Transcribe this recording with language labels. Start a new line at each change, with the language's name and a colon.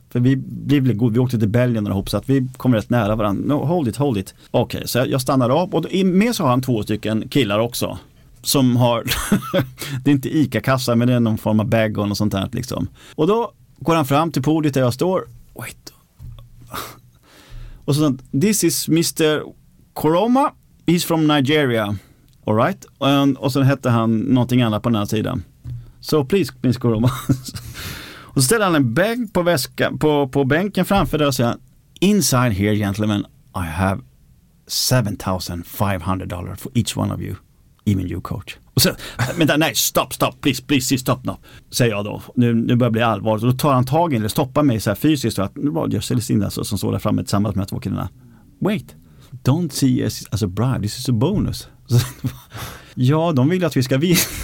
Swedish: För vi blev väl god, vi åkte till Belgien och hoppas att vi kommer rätt nära varandra.
English: No, hold it.
Swedish: Okej, okay, så jag stannar av. Och med så har han två stycken killar också. Som har, det är inte ICA-kassa, men det är någon form av bag och sånt här liksom. Och då går han fram till podiet där jag står.
English: Wait.
Swedish: Och så sånt,
English: this is Mr. Koroma, he's from Nigeria. All right.
Swedish: Och sen hette han någonting annat på den här sidan.
English: So please, Mr. Koroma.
Swedish: Och så ställer han en bag på väskan, på bänken framför där och säger,
English: inside here gentlemen, I have $7,500 for each one of you. Even you coach.
Swedish: Och så, men där, nej, stopp,
English: please stop now.
Swedish: Säger jag då. Nu börjar bli allvarligt. Och då tar han tag in eller stoppar mig så här fysiskt. Och att, nu var det Celestine alltså, som står där framme tillsammans med de två killarna.
English: Wait, don't see us as a bribe. This is a bonus.
Swedish: Så, ja, de vill att vi ska vinna.